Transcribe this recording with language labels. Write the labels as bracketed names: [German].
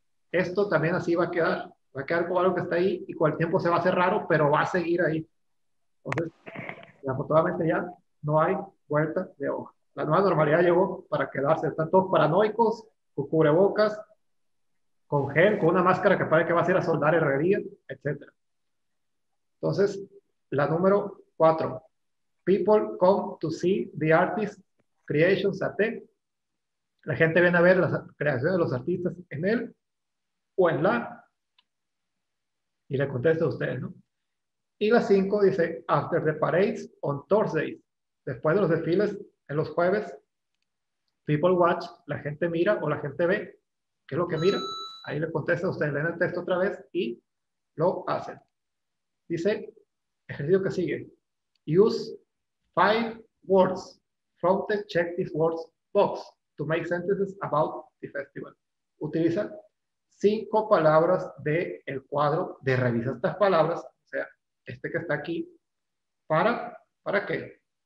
[Spanish] Esto también así va a quedar. Va a quedar como algo que está ahí y con el tiempo se va a hacer raro, pero va a seguir ahí. Entonces, afortunadamente ya no hay vuelta de hoja. La nueva normalidad llegó para quedarse. Están todos paranoicos, con cubrebocas, con gel, con una máscara que parece que vas a ir a soldar herrería, etc. Entonces, la número 4. [English] People come to see the artist creations at the. [Spanish] La gente viene a ver las creaciones de los artistas en él o en la. Y le contesta a ustedes, ¿no? Y la 5 dice, [English] after the parades on Thursdays. [Spanish] Después de los desfiles en los jueves, [English] people watch, [Spanish] la gente mira o la gente ve. ¿Qué es lo que mira? Ahí le contesta a ustedes, leen el texto otra vez y lo hacen. Dice, ejercicio que sigue. [English] Use 5 words from the check these words box to make sentences about the festival. [Spanish] Utiliza 5 palabras del cuadro de revisa estas palabras, o sea, este que está aquí, ¿para qué?